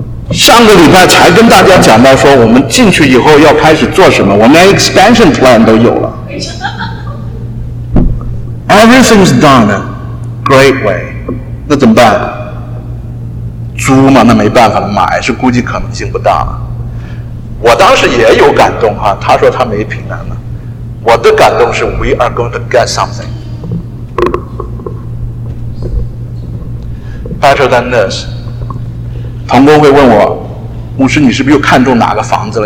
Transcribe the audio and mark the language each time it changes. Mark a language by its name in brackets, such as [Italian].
[Chinese] 上个礼拜才跟大家讲到说我们进去以后要开始做什么，我们连 expansion plan 都有了。 [English] Everything's done great way， [Chinese] 那怎么办？租嘛，那没办法，买是估计可能性不大。我当时也有感动哈，他说他没平安了，我的感动是 [English] we are going to get something better than this。 [Chinese] 同工会问我，牧师你是不是又看中哪个房子了？